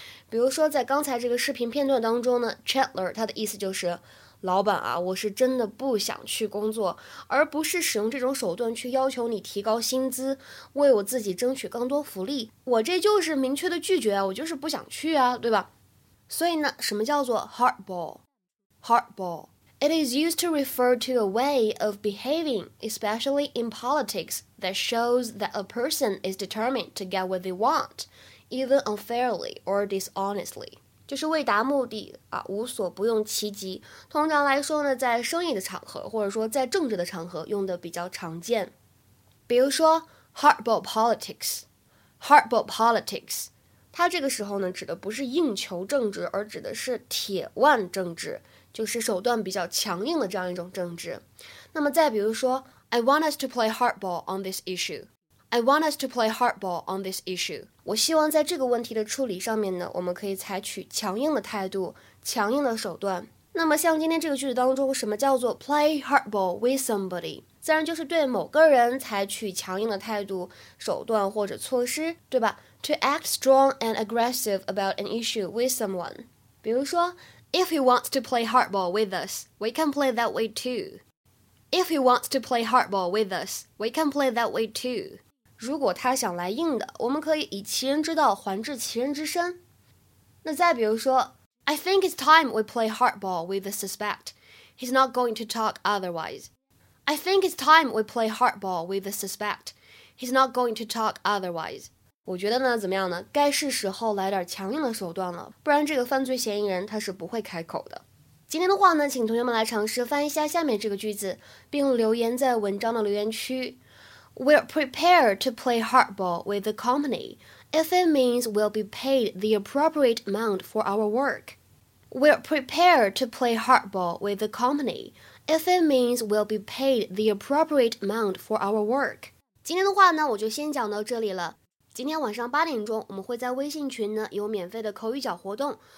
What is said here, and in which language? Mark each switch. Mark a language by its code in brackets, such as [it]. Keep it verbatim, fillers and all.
[zh] 比如说在刚才这个视频片段当中呢 Chandler 他的意思就是老板啊，我是真的不想去工作，而不是使用这种手段去要求你提高薪资，为我自己争取更多福利。我这就是明确的拒绝啊，我就是不想去啊，对吧？所以呢，什么叫做 hardball? Hardball. [en] It is used to refer to a way of behaving, especially in politics, that shows that a person is determined to get what they want, even unfairly or dishonestly. [zh] 就是为达目的啊，无所不用其极。通常来说呢，在生意的场合，或者说在政治的场合用的比较常见。比如说 [en] hardball politics, hardball politics. [zh] 它这个时候呢，指的不是硬球政治，而指的是铁腕政治。就是手段比较强硬的这样一种政治。那么再比如说 [en] I want us to play hardball on this issue. I want us to play hardball on this issue. [zh] 我希望在这个问题的处理上面呢，我们可以采取强硬的态度，强硬的手段。那么像今天这个句子当中，什么叫做 [en] play hardball with somebody? [zh] 自然就是对某个人采取强硬的态度，手段或者措施，对吧？ [en] To act strong and aggressive about an issue with someone. [zh] 比如说 [en] If he wants to play hardball with us, we can play that way too. If he wants to play hardball with us, we can play that way too. [zh] 如果他想来硬的，我们可以以其人之道还治其人之身。那再比如说 [en] I think it's time we play hardball with the suspect. He's not going to talk otherwise. I think it's time we play hardball with the suspect. He's not going to talk otherwise. [zh] 我觉得呢，怎么样呢？该是时候来点强硬的手段了，不然这个犯罪嫌疑人他是不会开口的。今天的话呢，请同学们来尝试翻译一下下面这个句子，并留言在文章的留言区。 [en] We're prepared to play hardball with the company if it means we'll be paid the appropriate amount for our work. We're prepared to play hardball with the company if it means we'll be paid the appropriate amount for our work. [zh] 今天的话呢，我就先讲到这里了。今天晚上八点钟，我们会在微信群呢有免费的口语角活动。